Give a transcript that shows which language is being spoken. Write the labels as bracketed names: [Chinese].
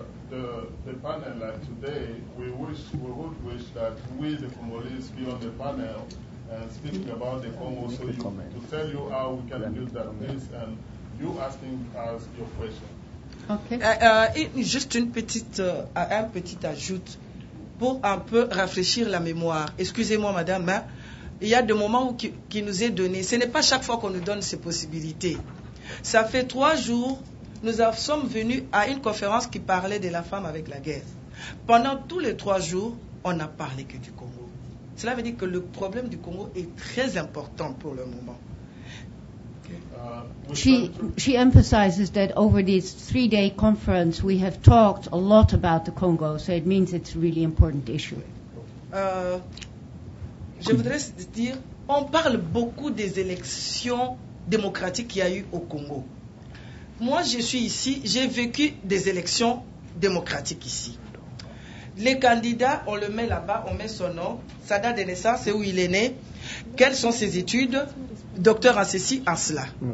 [English] The panel like today, we would wish that we the Congolese be on the panel and speaking about the Congo, so you, to tell you how we can build that peace and you asking us your question. Okay. [French] Juste une petite, un petit ajout pour un peu rafraîchir la mémoire. Excusez-moi, madame, mais il y a des moments où qui nous est donné. Ce n'est pas chaque fois qu'on nous donne ces possibilités. Ça fait 3 jours. Nous sommes venus à une conférence qui parlait de la femme avec la guerre. Pendant tous les 3 jours, on n'a parlé que du Congo. Cela veut dire que le problème du Congo est très important pour le moment. [English] She emphasizes that over this 3-day conference, we have talked a lot about the Congo, so it means it's a really important issue. [French] Je voudrais dire, on parle beaucoup des élections démocratiques qu'il y a eu au Congo. Moi, je suis ici, j'ai vécu des élections démocratiques ici. Les candidats, on le met là-bas, on met son nom, sa date de naissance, c'est où il est né, quelles sont ses études, docteur en ceci, en cela.